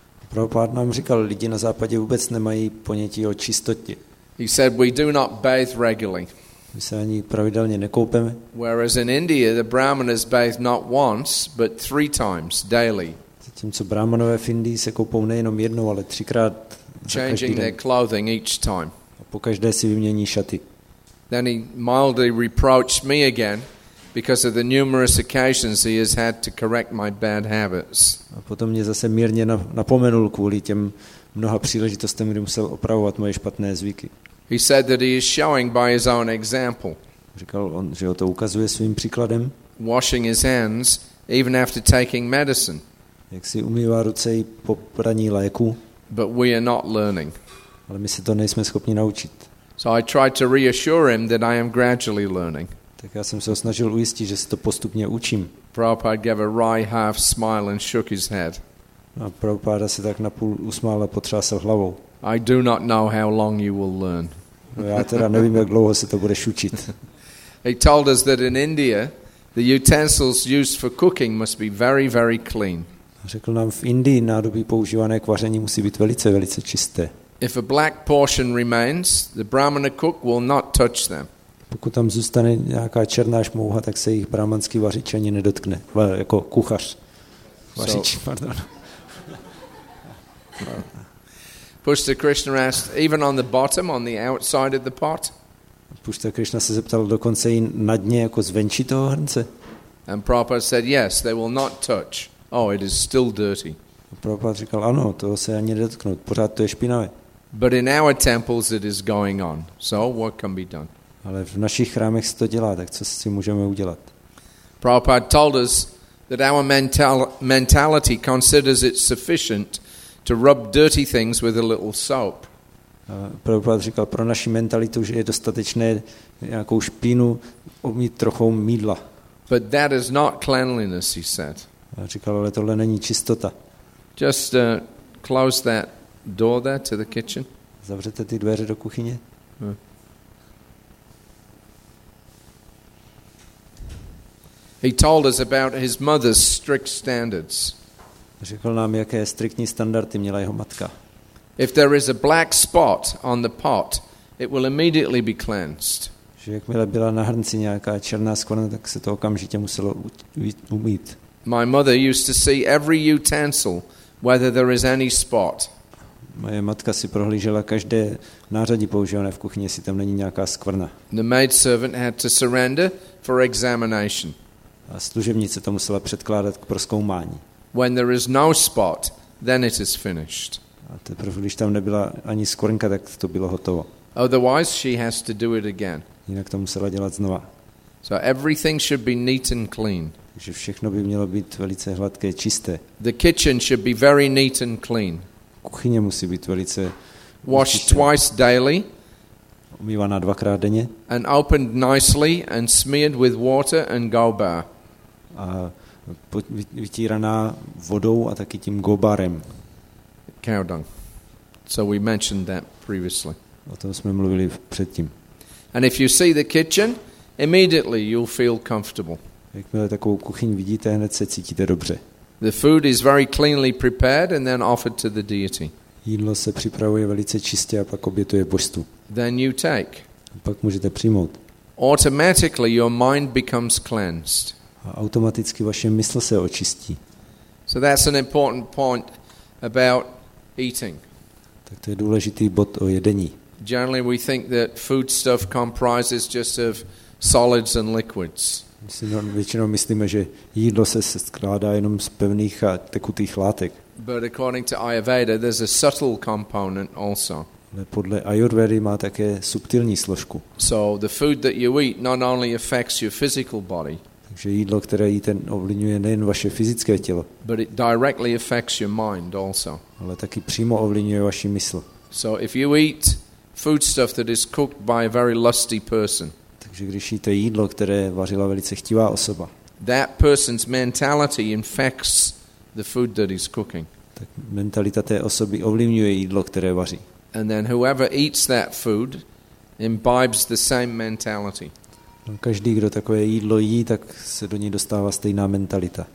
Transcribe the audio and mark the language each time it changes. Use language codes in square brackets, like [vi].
[cs] Prabhupada nám říkal, lidi na západě vůbec nemají ponětí o čistotě. [en] He said we do not bathe regularly. [cs] My se ani pravidelně nekoupeme. [en] Whereas in India the brahmanas bathe not once but three times daily. [cs] Zatímco brahmanové v Indii se koupou nejenom jednou, ale třikrát [en] changing their clothing each time. [cs] A pokaždé si vymění šaty. [en] Then he mildly reproached me again. Because of the numerous occasions he has had to correct my bad habits. [cs] A potom mě zase mírně napomenul kvůli těm mnoha příležitostem, kdy musel opravovat moje špatné zvyky. [en] He said that he is showing by his own example. [cs] Říkal on, že ho to ukazuje svým příkladem. [en] Washing his hands even after taking medicine. [cs] Jak si umývá ruce i po praní léku. [en] But we are not learning. [cs] Ale my se to nejsme schopni naučit. [en] So I tried to reassure him that I am gradually learning. [cs] Tak já jsem se ho snažil ujistit, že se to postupně učím. [en] Prabhupada gave a wry half smile and shook his head. [cs] A Prabhupada se tak napůl usmál a potřásl hlavou. [en] I do not know how long you will learn. [cs] No, já teda nevím, jak dlouho se to bude učit. [en] He told us that in India the utensils used for cooking must be very, very clean. [cs] Řekl nám, v Indii nádobí používané k vaření musí být velice, velice čisté. [en] If a black portion remains, the brahmana cook will not touch them. [cs] Pokud tam zůstane nějaká černá šmouha, tak se jich brahmanský vařič ani nedotkne. Jako kuchař. Vařič, so, pardon. [en] Pushta Krishna asked, even on the bottom, on the outside of the pot? [cs] Pushta Krishna se zeptal dokonce i na dně, jako zvenčí toho hrnce. [en] And Prabhupada said, yes, they will not touch. Oh, it is still dirty. [cs] Prabhupada říkal, ano, toho se ani nedotknout, pořád to je špinavé. [en] But in our temples it is going on, so what can be done? [cs] Ale v našich chrámech se to dělá, tak co si můžeme udělat? [en] Prabhupada told us that our mentality considers it sufficient to rub dirty things with a little soap. [cs] Prabhupada říkal, pro naši mentalitu, že je dostatečné nějakou špínu umýt trochou mýdla. [en] But that is not cleanliness, he said. [cs] Říkal, ale tohle není čistota. [en] Just close that door there to the kitchen. [cs] Zavřete ty dveře do kuchyně. [en] He told us about his mother's strict standards. [cs] Řekl nám, jaké striktní standardy měla jeho matka. [en] If there is a black spot on the pot, it will immediately be cleansed. [cs] Že jakmile byla na hrnci nějaká černá skvrna, tak se to okamžitě muselo umýt. [en] My mother used to see every utensil whether there is any spot. [cs] Moje matka si prohlížela každé nářadí používané v kuchyni, jestli tam není nějaká skvrna. [en] The maid servant had to surrender for examination. [cs] A služebnice to musela předkládat k prozkoumání. [en] When there is no spot, then it is finished. [cs] A teprve, když tam nebyla ani skvrnka, tak to bylo hotovo. [en] Otherwise she has to do it again. [cs] Jinak to musela dělat znova. [en] So everything should be neat and clean. [cs] Takže všechno by mělo být velice hladké, čisté. [en] The kitchen should be very neat and clean. [cs] Kuchyně musí být velice [en] washed twice daily. [cs] Umývaná dvakrát denně. [en] And opened nicely and smeared with water and gobar. [cs] A vytíraná vodou a taky tím gobarem. [en] Cow dung. So we mentioned that previously. [cs] O tom jsme mluvili předtím. [en] And if you see the kitchen, immediately you'll feel comfortable. [cs] Jakmile takovou kuchyň vidíte, hned se cítíte dobře. [en] The food is very cleanly prepared and then offered to the deity. [cs] Jídlo se připravuje velice čistě a pak obětuje božstvu. [en] Then you take. [cs] A pak můžete přijmout. [en] Automatically your mind becomes cleansed. [cs] A automaticky vaše mysl se očistí. [en] So that's an important point about eating. [cs] Tak to je důležitý bod o jedení. [en] Generally we think that food stuff comprises just of solids and liquids. [cs] Většinou myslíme, že jídlo se skládá jenom z pevných a tekutých látek. [en] But according to Ayurveda, there's a subtle component also. [cs] Ale podle Ayurvedy má také subtilní složku. [en] So the food that you eat not only affects your physical body. [cs] Takže jídlo, které jíte, ovlivňuje nejen vaše fyzické tělo. [en] But it directly affects your mind also. [cs] Ale taky přímo ovlivňuje vaši mysl. [en] So if you eat food stuff that is cooked by a very lusty person. [cs] Takže když jíte jídlo, které vařila velice chtivá osoba. [en] That person's mentality infects the food that he's cooking. [cs] Tak mentalita té osoby ovlivňuje jídlo, které vaří. [en] And then whoever eats that food imbibes the same mentality. [cs] No, každý, kdo takové jídlo jí, tak se do něj dostává stejná mentalita.